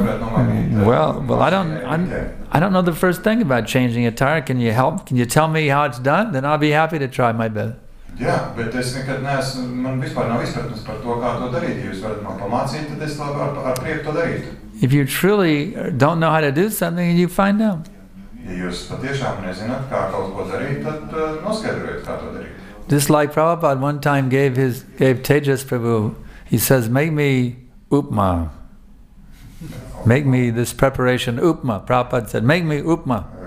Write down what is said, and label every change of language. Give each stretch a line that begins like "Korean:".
English: Well, I don't know the first thing about changing a tire. Can you help? Can you tell me how it's done? Then I'll be happy to try my best. Yeah, but
Latvian: es nekad neesmu, man vispār nav izpratnes par to, kā to darīt. Jūs varat man pamācīt, tad es ar prieku to darītu.
English: If you truly don't know how to do something, you find out.
Latvian: Ja jūs patiešām nezināt, kā kaut ko darīt, tad noskaidrojiet, kā to darīt.
English: Just like Prabhupada one time gave Tejas Prabhu, he says, make me upma. Make me this preparation upma. Prabhupada said, make me upma.